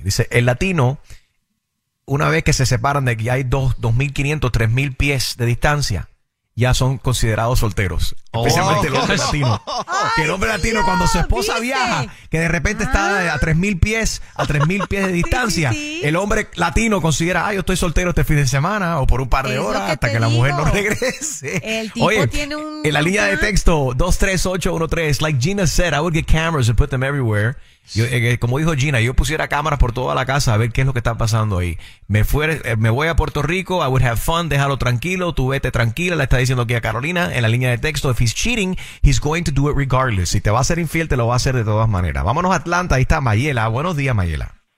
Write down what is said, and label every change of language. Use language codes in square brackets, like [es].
[es] Dice, el latino, una vez que se separan de que hay 2.500, 3.000 pies de distancia, ya son considerados solteros. Especialmente el hombre latino. Que el hombre latino, cuando su esposa viaja, que de repente está a 3.000 pies, a 3.000 pies de distancia, sí. El hombre latino considera, ay, yo estoy soltero este fin de semana o por un par de horas hasta que la mujer no regrese. El tipo tiene un... En la línea de texto [en] 23813, like Gina said, I would get cameras and put them everywhere. [es] Yo, como dijo Gina, yo pusiera cámaras por toda la casa a ver qué es lo que está pasando ahí. Me voy a Puerto Rico, [en] I would have fun, [es] déjalo tranquilo, tú vete tranquila, le está diciendo aquí a Carolina en la línea de texto, [en] if he's cheating, he's going to do it regardless. [es] Si te va a ser infiel, te lo va a hacer de todas maneras. Vámonos a Atlanta, ahí está Mayela. Buenos días, Mayela.